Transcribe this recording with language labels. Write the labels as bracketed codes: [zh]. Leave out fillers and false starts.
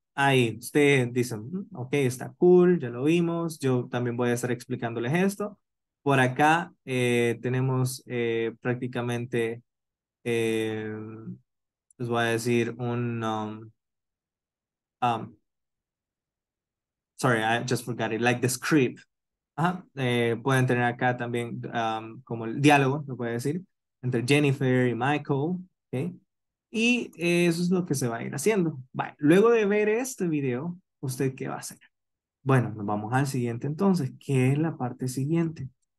[es] Ahí, usted dice, ok, está cool, ya lo vimos. Yo también voy a estar explicándoles esto. Por acá tenemos prácticamente, les voy a decir un... [en] sorry, I just forgot it, like the script. [es] Ajá, pueden tener acá también como el diálogo, lo voy a decir, entre Jennifer y Michael, ok. Y eso es lo que se va a ir haciendo. Vale. Luego de ver este video, ¿usted qué va a hacer? Bueno, nos vamos al siguiente entonces. ¿Qué es la parte siguiente?